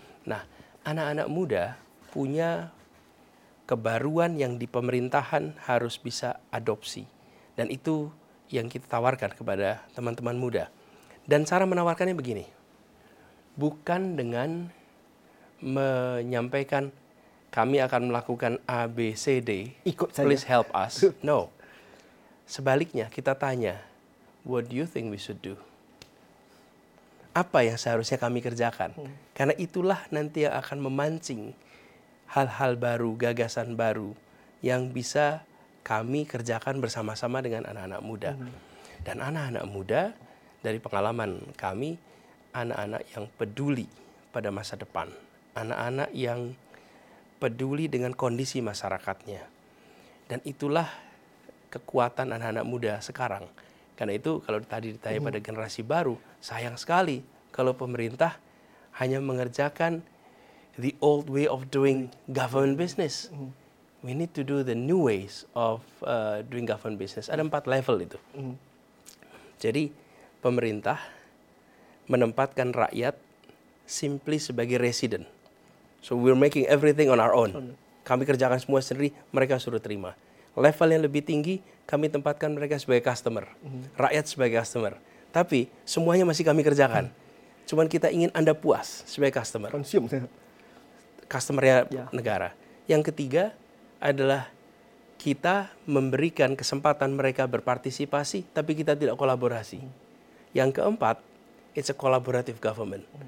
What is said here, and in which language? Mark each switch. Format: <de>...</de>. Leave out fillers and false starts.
<id>Nah, anak-anak muda punya kebaruan yang di pemerintahan harus bisa adopsi. Dan itu yang kita tawarkan kepada teman-teman muda. Dan cara menawarkannya begini. bukan dengan menyampaikan kami akan melakukan A, B, C, D. Ikut saja.</id> <en>Please help us. No.</en> <id>Sebaliknya, kita tanya,</id> <en>what do you think we should do?</en> <id>Apa yang seharusnya kami kerjakan? Karena itulah nanti yang akan memancing hal-hal baru, gagasan baru yang bisa kami kerjakan bersama-sama dengan anak-anak muda. Dan anak-anak muda, dari pengalaman kami, anak-anak yang peduli pada masa depan. Anak-anak yang peduli dengan kondisi masyarakatnya. Dan itulah kekuatan anak-anak muda sekarang. Karena itu kalau tadi ditanya pada generasi baru, sayang sekali kalau pemerintah hanya mengerjakan</id> <en>the old way of doing government business. We need to do the new ways of doing government business.</en> <id>Ada 4 level itu. Jadi pemerintah menempatkan rakyat simply sebagai resident.</id> <en>So we're making everything on our own.</en> <id>Kami kerjakan semua sendiri, mereka suruh terima. Level yang lebih tinggi, kami tempatkan mereka sebagai customer. Rakyat sebagai customer. Tapi semuanya masih kami kerjakan. Cuman kita ingin Anda puas sebagai customer. Customernya negara. Yang ketiga adalah kita memberikan kesempatan mereka berpartisipasi, tapi kita tidak kolaborasi. Yang keempat,</id> <en>it's a collaborative government.</en>